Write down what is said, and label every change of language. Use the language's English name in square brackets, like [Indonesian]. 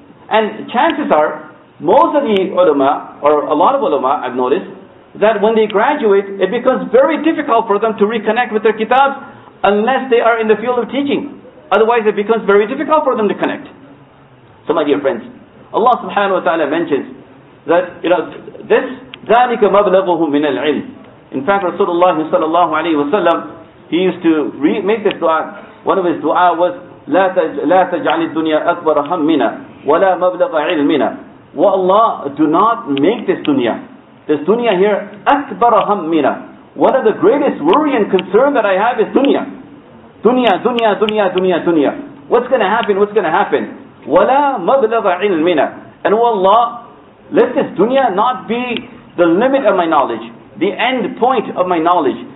[English] And chances are, most of the ulama, or a lot of ulama, I've noticed, that when they graduate, it becomes very difficult for them to reconnect with their kitabs unless they are in the field of teaching. Otherwise, it becomes very difficult for them to connect. So my dear friends, Allah subhanahu wa ta'ala mentions that, you know, this, [Arabic] ذَلِكَ مَبْلَغُهُ مِنَ الْعِلْمِ. [English] In fact, Rasulullah sallallahu alayhi wa sallam, he used to make this dua. One of his dua was, [Arabic] لَا تَجْعَلِ الدُّنْيَا أَكْبَرَ هَمِّنَا وَلَا مَبْلَغَ عِلْمِنَا. [English] Wa Allah, do not make this dunya. This dunya here, [Arabic] أَكْبَرَ هَمِّنَا. [English] One of the greatest worry and concern that I have is dunya. Dunya, dunya, dunya, dunya, dunya. What's going to happen? What's going to happen? [Arabic] وَلَا مَبْلَغَ عِلْمِنَا. [English] And oh Allah, let this dunya not be the limit of my knowledge, the end point of my knowledge.